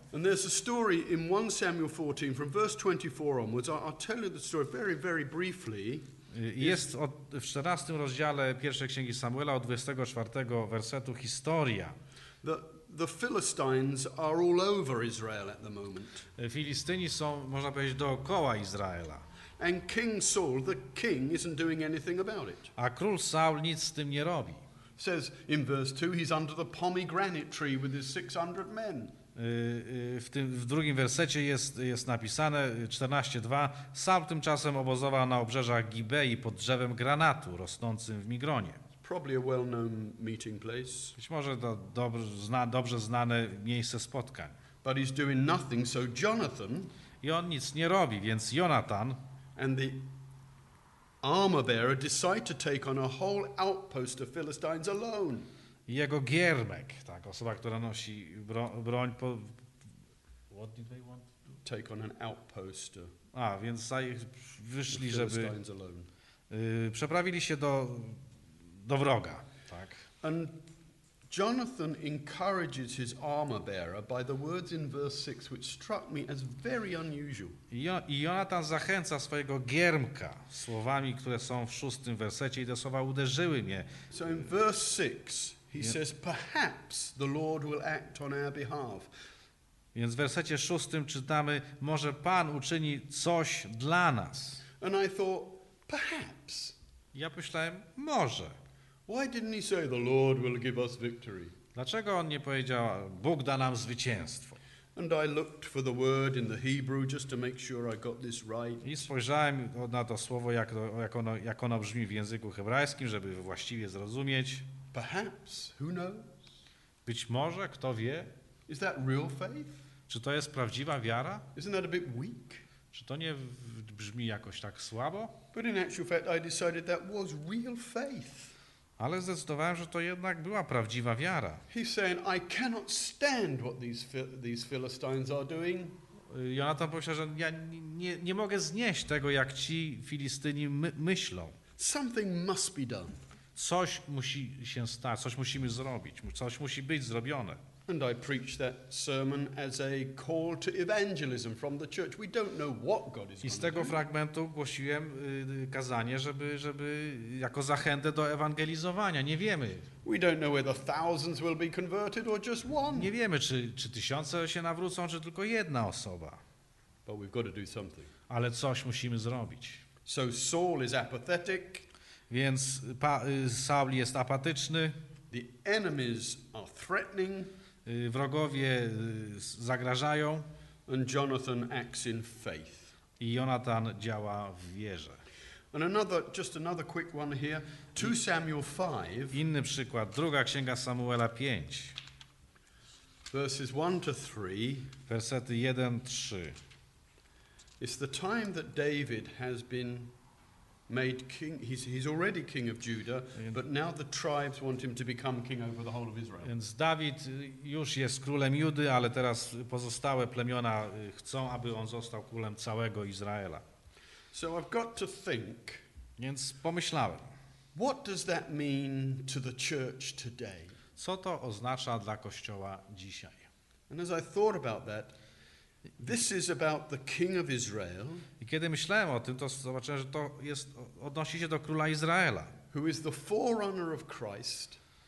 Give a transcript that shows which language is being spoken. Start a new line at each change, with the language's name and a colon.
English: And there's a story in 1 Samuel 14 from verse 24 onwards. I'll tell you the story very, very briefly.
Polish: Jest w 14 rozdziale pierwszej księgi Samuela od 24 wersetu historia.
English: The Philistines are all over Israel at the moment.
Polish: Filistyni są, można powiedzieć, dookoła Izraela.
English: And King Saul, the king, isn't doing anything about it.
Polish: A król Saul nic z tym nie robi.
English: Says in verse 2, he's under the pomegranate tree with his 600 men.
Polish: W drugim wersecie jest napisane 14:2. Saul tymczasem obozował na obrzeżach Gibei pod drzewem granatu rosnącym w Migronie.
English: Probably a well-known meeting place.
Polish: Być może to dobrze znane miejsce spotkań.
English: But he's doing nothing, so Jonathan.
Polish: I on nic nie robi, więc Jonathan.
English: And the armor bearer decide to take on a whole outpost of Philistines alone.
Polish: Jego giermek, tak, osoba, która nosi broń po...
English: What did they want to do? Take on an outpost.
Polish: Więc wyszli, żeby przeprawili się do wroga, tak.
English: And Jonathan encourages his armor bearer by the words in verse 6, which struck me as very unusual.
Polish: I Jonathan zachęca swojego giermka słowami, które są w szóstym wersecie, i te słowa uderzyły mnie.
English: So in verse 6, he says, perhaps the Lord will act on our behalf.
Polish: Więc w wersecie szóstym czytamy, może Pan uczyni coś dla nas.
English: And I thought, perhaps.
Polish: Ja myślałem, może.
English: Why didn't he say the Lord will give us victory?
Polish: Dlaczego on nie powiedział Bóg da nam zwycięstwo?
English: And I looked for the word in the Hebrew just to make sure I got this right.
Polish: I spojrzałem na to słowo jak ono brzmi w języku hebrajskim, żeby właściwie zrozumieć.
English: Perhaps, who knows?
Polish: Być może, kto wie?
English: Is that real faith?
Polish: Czy to jest prawdziwa wiara?
English: Isn't that a bit weak?
Polish: Czy to nie brzmi jakoś tak słabo?
English: But in actual fact I decided that was real faith.
Polish: Ale zdecydowałem, że to jednak była prawdziwa wiara.
English: He's saying, I cannot stand what these Philistines are doing.
Polish: Jonathan powiedział, że ja nie mogę znieść tego, jak ci Filistyni myślą.
English: Something must be done.
Polish: Coś musi się stać, coś musimy zrobić, coś musi być zrobione.
English: And I preach that sermon as a call to evangelism from the church. We don't know what God is.
Polish: I z tego fragmentu głosiłem kazanie, żeby jako zachętę do ewangelizowania. Nie wiemy.
English: We don't know whether thousands will be converted or just one.
Polish: Nie wiemy, czy tysiące się nawrócą, czy tylko jedna osoba.
English: But we've got to do something.
Polish: Ale coś musimy zrobić.
English: So Saul is apathetic.
Polish: Więc Saul jest apatyczny.
English: The enemies are threatening.
Polish: Wrogowie zagrażają.
English: And Jonathan acts in faith.
Polish: I Jonathan działa w wierze.
English: And another quick one here. 2 Samuel 5.
Polish: Inny przykład, druga księga Samuela 5.
English: Verses 1 to 3.
Polish: Wersety 1-3.
English: It's the time that David has been made king. He's already king of Judah, but now the tribes want him to become king over the whole of Israel.
Polish: Więc Dawid już jest królem Judy, ale teraz pozostałe plemiona chcą, aby on został królem całego Izraela.
English: So I've got to think.
Polish: Więc pomyślałem.
English: What does that mean to the church today?
Polish: Co to oznacza dla kościoła dzisiaj?
English: And as I thought about that, this is about the king of Israel.
Polish: I kiedy myślałem o tym, to zobaczyłem, że to jest odnosi się do króla Izraela.
English: Who is the forerunner of Christ?